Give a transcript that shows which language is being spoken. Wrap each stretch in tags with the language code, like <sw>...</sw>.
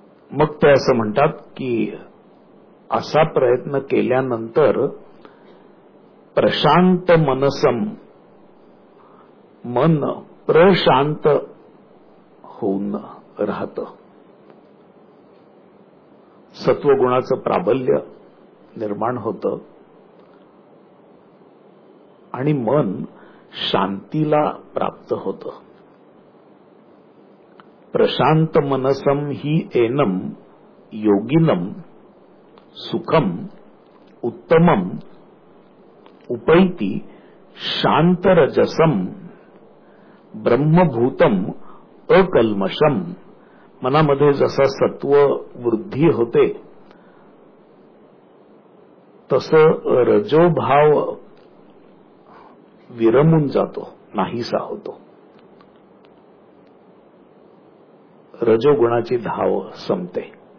<mr>मग ते असं म्हणतात की असा प्रयत्न केल्यानंतर</mr> <sa>प्रशांत मनसम,</sa> <mr>मन प्रशांत होऊन राहतं, सत्वगुणाचं प्राबल्य निर्माण होतं आणि मन शांतीला प्राप्त होतं।</mr> <sa>प्रशांत मनसम ही एनम योगिनम सुखम उत्तमम उपैति शांतरजसम ब्रह्मभूतम अकल्मषम,</sa> <mr>मनामध्ये जसा सत्व वृद्धी होते तसं रजोभाव विरमून जातो, नाहीसा होतो, रजोगुणाची धाव संपते.</mr>